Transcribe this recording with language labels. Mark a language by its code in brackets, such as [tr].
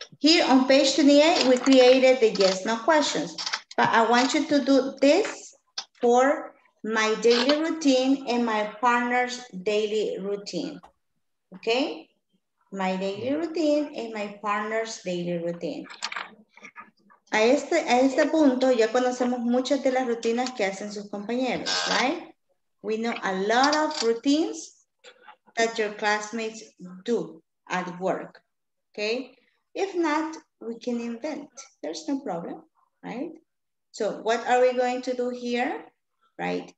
[en] Here on page 28, we created the yes, no questions. But I want you to do this for my daily routine and my partner's daily routine, okay? My daily routine and my partner's daily routine. [es] A este punto ya conocemos muchas de las rutinas que hacen sus compañeros, [en] right? We know a lot of routines that your classmates do at work, okay? If not, we can invent. There's no problem, right? So what are we going to do here, right?